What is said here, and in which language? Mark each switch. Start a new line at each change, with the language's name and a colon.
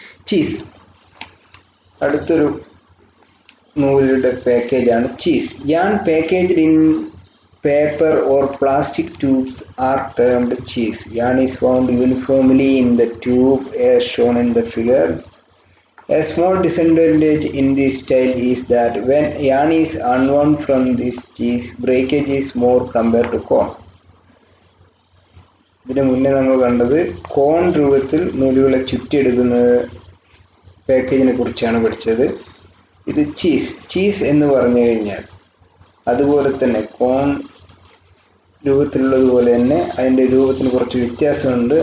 Malayalam: Cheese, അടുത്തൊരു നൂലിന്റെ പാക്കേജാണ് cheese.
English: Yarn packaged in paper or plastic tubes are termed cheese. Yarn is found uniformly in the tube as shown in the figure. A small disadvantage in this style is that when yarn is unwound from this cheese, breakage is more compared to corn.
Malayalam: ഇതിനു മുന്നേ നമ്മൾ കണ്ടത് കോൺ രൂപത്തിൽ നൂലുകളെ ചുറ്റിയെടുക്കുന്ന പാക്കേജിനെ കുറിച്ചാണ് പഠിച്ചത്. ഇത് cheese, cheese എന്ന് പറഞ്ഞു കഴിഞ്ഞാൽ അതുപോലെ തന്നെ കോൺ രൂപത്തിലുള്ളതുപോലെ തന്നെ അതിൻ്റെ രൂപത്തിൽ കുറച്ച് വ്യത്യാസമുണ്ട്.